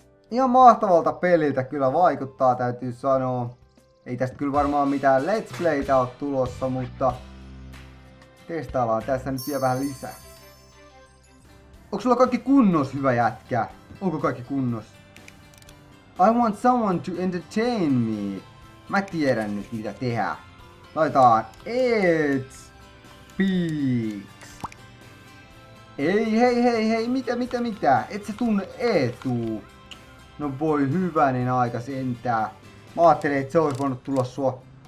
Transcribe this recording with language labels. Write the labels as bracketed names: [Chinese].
[Finnish] Ihan mahtavalta peliltä kyllä vaikuttaa, täytyy sanoa. Ei tästä kyllä varmaan mitään let's playtä oo tulossa, mutta... Testaillaan tässä nyt vielä vähän lisää. Onko sulla kaikki kunnos, hyvä jätkä? Onko kaikki kunnos? [English] I want someone to entertain me. [Finnish] Mä tiedän nyt mitä tehdä. Laitetaan It's Peaks. Ei, mitä? Et sä tunne Eetuu. No voi hyvänen aika sentään. Mä ajattelin, että se olisi voinut tulla sua.